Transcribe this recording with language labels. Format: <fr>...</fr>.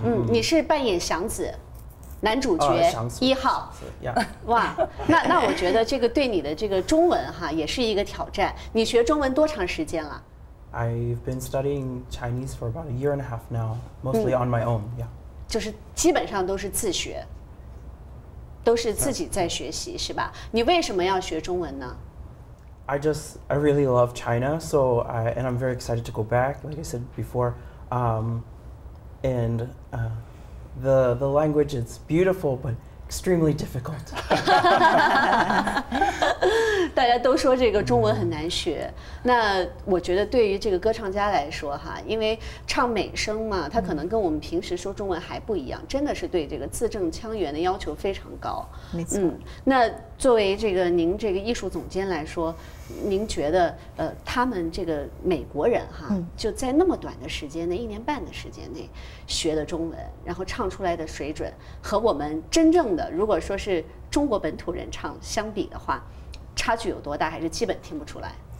<zh>你是扮演祥子，男主角一号。哇，那我觉得这个对你的这个中文哈也是一个挑战。你学中文多长时间了</zh> <en>？I've been studying Chinese for about a year and a half now, mostly on my own. Yeah.</en> <zh>就是基本上都是自学，都是自己在学习，是吧？你为什么要学中文呢</zh> <en>？I really love China, so and I'm very excited to go back. Like I said before, the language is beautiful, but extremely difficult.</en> <zh>大家都说这个中文很难学，那我觉得对于这个歌唱家来说哈，因为唱美声嘛，他可能跟我们平时说中文还不一样，真的是对这个字正腔圆的要求非常高。没错。那作为这个您这个艺术总监来说，您觉得他们这个美国人哈，就在那么短的时间内，一年半的时间内学的中文，然后唱出来的水准，和我们真正的如果说是中国本土人唱相比的话，差距有多大？还是基本听不出来？</zh>